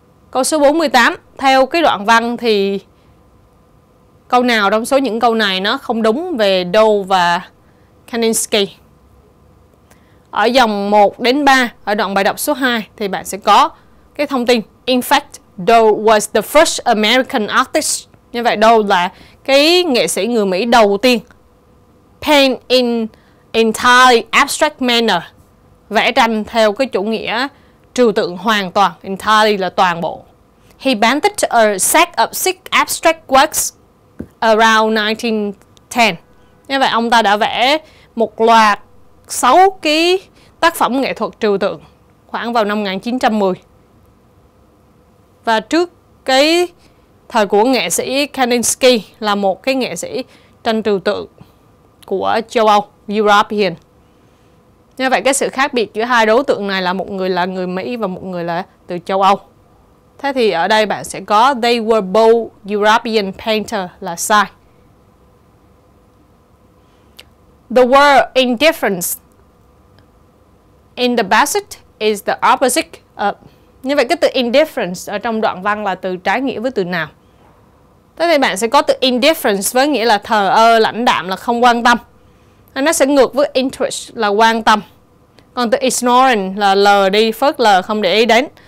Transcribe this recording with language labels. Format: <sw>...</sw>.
<vi>Câu số 48, theo cái đoạn văn thì câu nào trong số những câu này nó không đúng về Dove và Kaninsky? Ở dòng 1 đến 3, ở đoạn bài đọc số 2, thì bạn sẽ có cái thông tin.</vi> <en>In fact, Dove was the first American artist.</en> <vi>Như vậy, Dove là cái nghệ sĩ người Mỹ đầu tiên.</vi> <en>Paint in entirely abstract manner.</en> <vi>Vẽ tranh theo cái chủ nghĩa trừu tượng hoàn toàn.</vi> <en>Entirely</en> <vi>là toàn bộ.</vi> <en>He painted a set of six abstract works around 1910.</en> <vi>Như vậy ông ta đã vẽ một loạt 6 cái tác phẩm nghệ thuật trừu tượng khoảng vào năm 1910. và trước cái thời của nghệ sĩ Kandinsky, là một cái nghệ sĩ tranh trừu tượng của châu Âu, European. Như vậy cái sự khác biệt giữa hai đối tượng này là một người là người Mỹ và một người là từ châu Âu. Thế thì ở đây bạn sẽ có</vi> <en>they were both European painter</en> <vi>là sai.</vi> <en>The word indifference in the passage is the opposite of.</en> <vi>Như vậy cái từ indifference ở trong đoạn văn là từ trái nghĩa với từ nào? Thế thì bạn sẽ có từ indifference với nghĩa là thờ ơ, lãnh đạm, là không quan tâm. Nó sẽ ngược với interest là quan tâm. Còn từ ignoring là lờ đi, phớt lờ, không để ý đến.</vi>